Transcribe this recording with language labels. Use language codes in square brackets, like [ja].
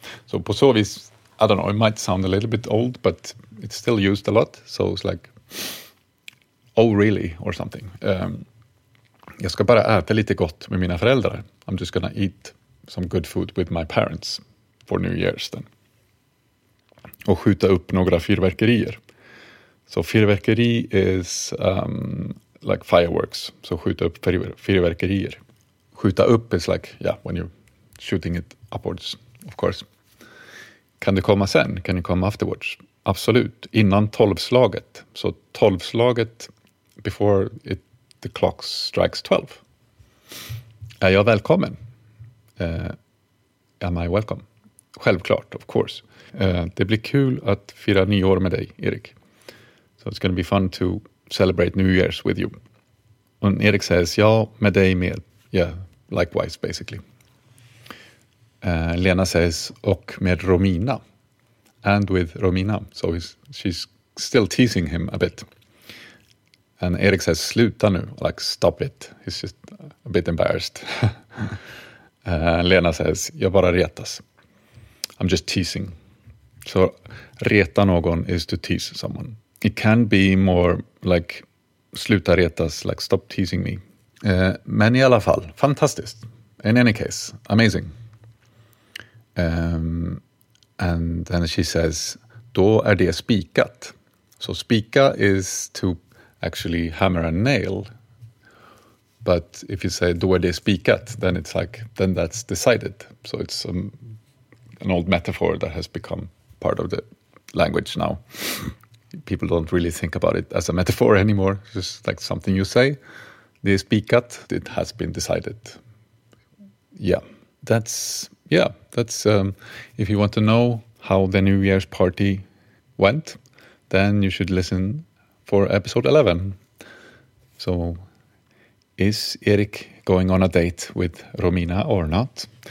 [en] So [sv] på så vis, [en] I don't know, it might sound a little bit old, but it's still used a lot. So it's like, oh really, or something. [sv] Jag ska bara äta lite gott med mina föräldrar. [en] I'm just gonna eat some good food with my parents for New Year's then. [sv] Och skjuta upp några fyrverkerier. Så fyrverkeri [en] is like fireworks. [sv] Så skjuta upp fyrverkerier. [en] Skjuta upp is like, yeah, when you're shooting it upwards, of course. [sv] Kan du komma sen? Kan du komma [en] afterwards? [sv] Absolut. Innan tolvslaget. Så tolvslaget, [en] before it, the clock strikes 12. [sv] Är jag välkommen? [en] Am I welcome? [sv] Självklart, [en] of course. [sv] Det blir kul att fira nyår med dig, Erik. [en] So it's going to be fun to celebrate New Year's with you. [sv] Och Erik says, ja, med dig med. [en] Yeah, likewise, basically. [sv] Lena says, och med Romina. [en] And with Romina. So she's still teasing him a bit. And Erik says, [sv] sluta nu. [en] Like, stop it. He's just a bit embarrassed. Lena says, [sv] jag bara retas. [en] I'm just teasing. So, reta någon is to tease someone. It can be more like, [sv] sluta retas, [en] like stop teasing me. [sv] Men i alla fall, fantastiskt. [en] In any case, amazing. And then she says, [sv] då är det spikat. [en] So spika is to actually hammer a nail. But if you say, [sv] då är det spikat, [en] then it's like, then that's decided. So it's an old metaphor that has become part of the language now. People don't really think about it as a metaphor anymore. It's just like something you say. [sv] Det är spikat, [en] it has been decided. Yeah, if you want to know how the New Year's party went, then you should listen for episode 11. So, is Erik going on a date with Romina or not?